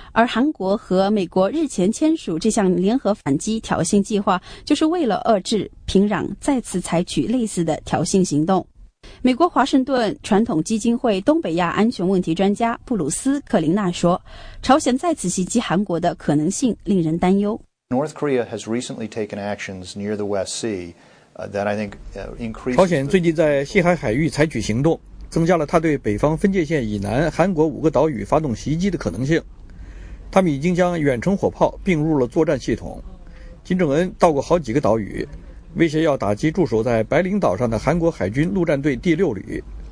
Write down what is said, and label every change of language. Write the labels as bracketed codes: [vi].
[zh] 而韩国和美国日前签署这项联合反击挑衅计划，就是为了遏制平壤再次采取类似的挑衅行动。美国华盛顿传统基金会东北亚安全问题专家布鲁斯·克林纳说，朝鲜再次袭击韩国的可能性令人担忧。 [en] North Korea has recently taken actions near the West Sea that I think increase. [zh] 朝鲜最近在西海海域采取行动，增加了他对北方分界线以南韩国五个岛屿发动袭击的可能性。他们已经将远程火炮并入了作战系统。金正恩到过好几个岛屿，威胁要打击驻守在白领岛上的韩国海军陆战队第六旅。